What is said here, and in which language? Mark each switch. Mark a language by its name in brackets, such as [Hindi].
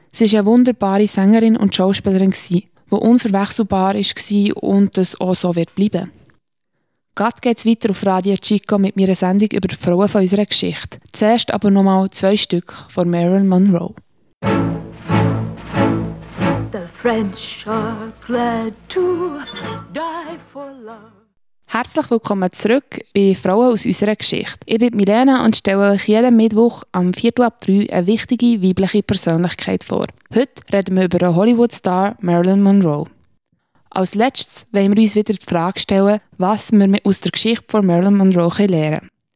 [German] Sie war eine wunderbare Sängerin und Schauspielerin, die unverwechselbar war und das auch so wird bleiben. Gerade geht es weiter auf Radio Chico mit meiner Sendung über die Frauen von unserer Geschichte. Zuerst aber nochmal zwei Stück von Marilyn Monroe. [English] The French are glad to die for love. [German] Herzlich willkommen zurück bei «Frauen aus unserer Geschichte». Ich bin Milena und stelle euch jeden Mittwoch am 14.03 eine wichtige weibliche Persönlichkeit vor. Heute reden wir über den Hollywood-Star Marilyn Monroe. Als letztes wollen wir uns wieder die Frage stellen, was wir aus der Geschichte von Marilyn Monroe lernen können.